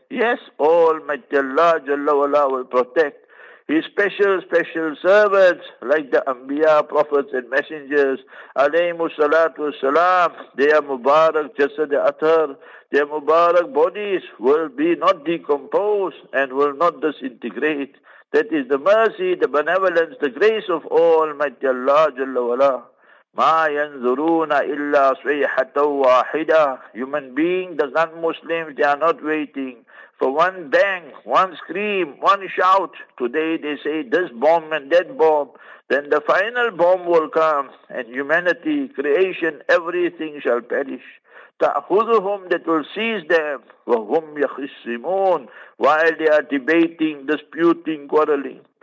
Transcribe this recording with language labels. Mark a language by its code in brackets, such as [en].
[en] Yes, Almighty Allah Jalla Wala will protect His special servants, like the Anbiya, Prophets and Messengers, alayhimu salatu wassalam, their Mubarak jasad athar, their Mubarak bodies will be not decomposed and will not disintegrate. That is the mercy, the benevolence, the grace of Almighty Allah Jalla Wala. [ar] ما ينظرون إلا صيحة واحدة. [en] Human beings, the non-Muslims, they are not waiting for one bang, one scream, one shout. Today they say this bomb and that bomb. Then the final bomb will come and humanity, creation, everything shall perish. تأخذهم, that will seize them. [ar] وهم يخصمون, [en] while they are debating, disputing, quarreling.